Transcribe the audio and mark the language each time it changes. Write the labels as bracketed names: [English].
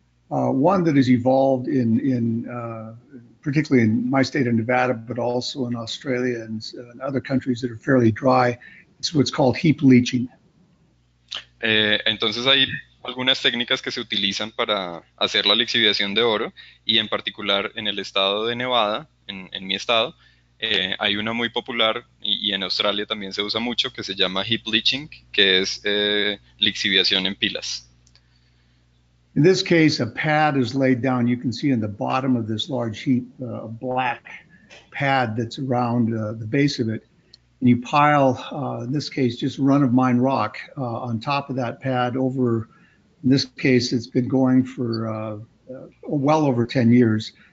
[English] One that has evolved in particularly in my state of Nevada, but also in Australia and other countries that are fairly dry. It's what's called heap leaching. [Spanish] Entonces ahí. Algunas técnicas que se utilizan para hacer la lixiviación de oro, y en particular en el estado de Nevada, en mi estado, hay una muy popular, y en Australia también se usa mucho, que se llama heap leaching, que es lixiviación en pilas. [English] In this case, a pad is laid down. You can see in the bottom of this large heap, a black pad that's around the base of it. And you pile, in this case, just run-of-mine rock on top of that pad over. In this case, it's been going for well over 10 years.